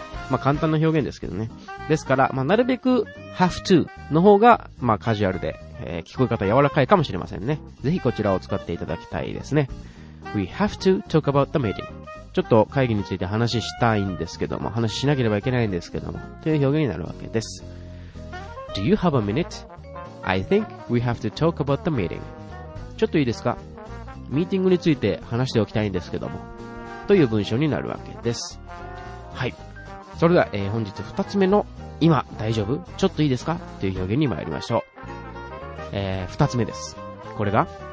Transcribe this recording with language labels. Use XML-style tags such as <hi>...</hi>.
<ja>まあ簡単な表現ですけどね。ですから、まあなるべく have to の方がまあカジュアルで、聞こえ方柔らかいかもしれませんね。ぜひこちらを使っていただきたいですね。</ja> <en>We have to talk about the meeting.</en> <ja>ちょっと会議について話したいんですけども、話しなければいけないんですけども、という表現になるわけです。</ja> <en>Do you have a minute? I think we have to talk about the meeting.</en> <ja>ちょっといいですか？ミーティングについて話しておきたいんですけども、という文章になるわけです。はい。それでは、本日二つ目の、今大丈夫？ちょっといいですか？という表現に参りましょう。二つ目です。これが、</ja>